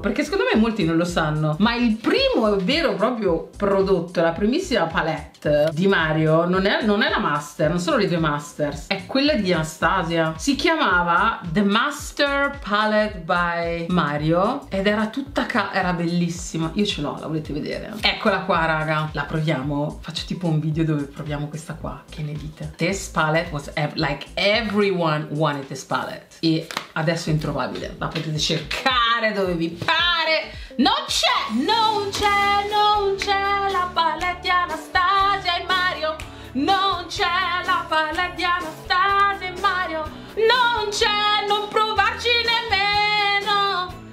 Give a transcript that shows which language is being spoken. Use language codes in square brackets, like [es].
[it] Perché secondo me molti non lo sanno, ma il primo vero proprio prodotto, la primissima palette di Mario non è la Master, non sono le due Masters, è quella di Anastasia. Si chiamava The Master Palette by Mario ed era tutta, era bellissima. Io ce l'ho, la volete vedere? Eccola qua, raga, la proviamo? Faccio tipo un video dove proviamo questa qua, che ne dite? [en] This palette was like everyone wanted this palette. [it] E adesso è introvabile, la potete cercare dove vi pare. Non c'è, non c'è, non c'è la palette di Anastasia e Mario. Non c'è la palette di Anastasia e Mario. Non c'è, non provarci nemmeno.